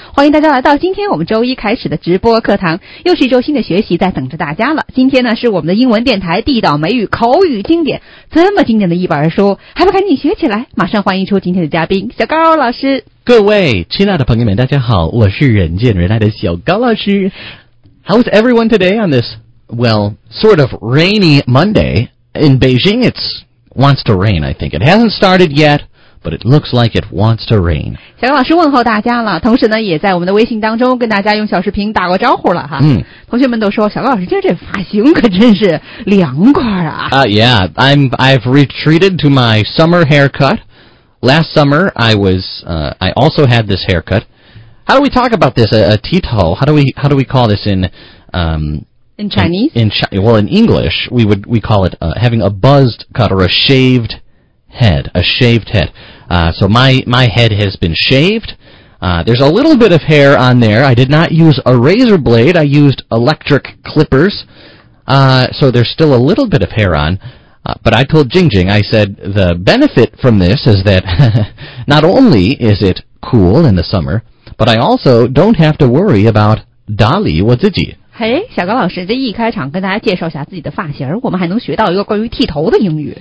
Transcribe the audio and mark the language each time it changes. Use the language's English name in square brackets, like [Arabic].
[Chinese] 欢迎大家来到今天我们周一开始的直播课堂，又是一周新的学习在等着大家了。今天呢是我们的英文电台地道美语口语经典，这么经典的一本书，还不赶紧学起来，马上欢迎出今天的嘉宾小高老师。各位亲爱的朋友们大家好，我是人见人爱的小高老师。 [English] How's everyone today on this, well, sort of rainy Monday? In Beijing, it wants to rain, I think. It hasn't started yet, but it looks like it wants to rain. [Chinese] 小高老师问候大家了，同时呢也在我们的微信当中跟大家用小视频打过招呼了哈。同学们都说小高老师今天这发型可真是凉快啊。 [English] I've retreated to my summer haircut. Last summer, I also had this haircut. How do we talk about this? A tito? How do we call this in Chinese? In English, we call it having a buzzed cut or a shaved head. A shaved head. So my head has been shaved. There's a little bit of hair on there. I did not use a razor blade. I used electric clippers. So there's still a little bit of hair on. But I told Jing Jing, I said, the benefit from this is that not only is it cool in the summer, but I also don't have to worry about [Chinese] Dali wo zi ji. 嘿，小高老师，这一开场跟大家介绍一下自己的发型，我们还能学到一个关于剃头的英语。